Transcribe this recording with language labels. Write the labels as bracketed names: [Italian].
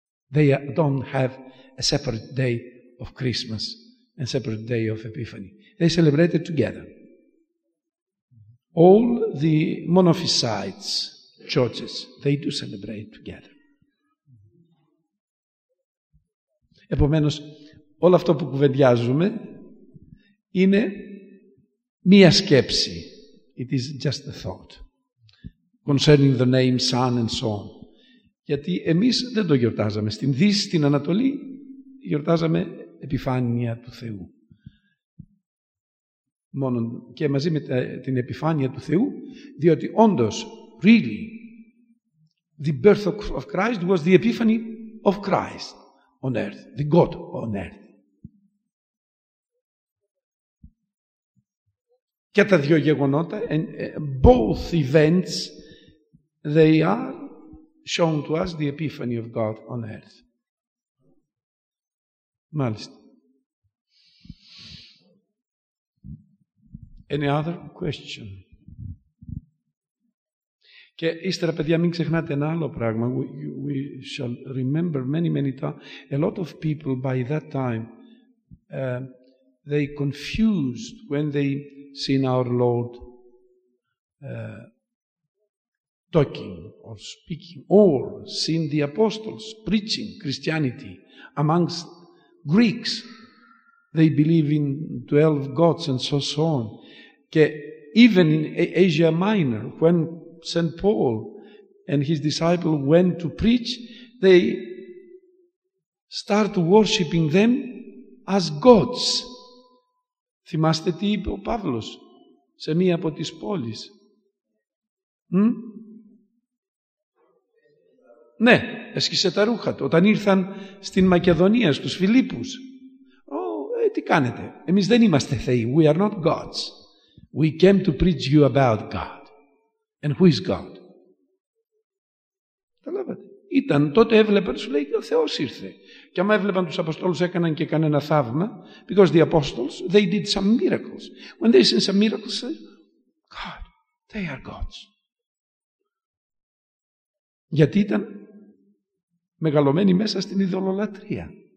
[English] They don't have a separate day of Christmas and separate day of Epiphany. They celebrate it together. All the Monophysites churches, they do celebrate together. [Greek] Επομένως, όλο αυτό που κουβεντιάζουμε είναι μία σκέψη. [English] It is just a thought concerning the name Son and so on. [Greek] Γιατί εμείς δεν το γιορτάζαμε. Στην Δύση, στην Ανατολή, γιορτάζαμε επιφάνεια του Θεού. Μόνο και μαζί με την επιφάνεια του Θεού, διότι όντως, [English] really, the birth of Christ was the epiphany of Christ on earth, the God on earth. [Greek] Και τα δύο γεγονότα, [English] and both events, they are shown to us the epiphany of God on earth. [Greek] Μάλιστα. [English] Any other question? [Greek] Και ύστερα, παιδιά, μην ξεχνάτε ένα άλλο πράγμα. [English] We shall remember many times. A lot of people by that time, they confused when they seen our Lord talking or speaking, or seen the apostles preaching Christianity amongst Greeks. They believe in 12 gods and so on. Και even in Asia Minor, when St. Paul and his disciple went to preach, they start worshiping them as gods. [Greek] Θυμάστε τι είπε ο Παύλος σε μία από τις πόλεις. Ναι, έσχισε τα ρούχα του. Όταν ήρθαν στην Μακεδονία, στους Φιλίππους. Τι κάνετε, εμείς δεν είμαστε θεοί. [English] We are not gods. We came to preach you about God. And who is God? [Greek] Καταλάβατε. Ήταν, τότε έβλεπαν, σου λέει, και ο Θεός ήρθε. Και άμα έβλεπαν τους Αποστόλους, έκαναν και κανένα θαύμα. [English] Because the Apostles, they did some miracles. When they see some miracles, they say, God, they are gods. [Greek] Γιατί ήταν μεγαλωμένοι μέσα στην ειδωλολατρία.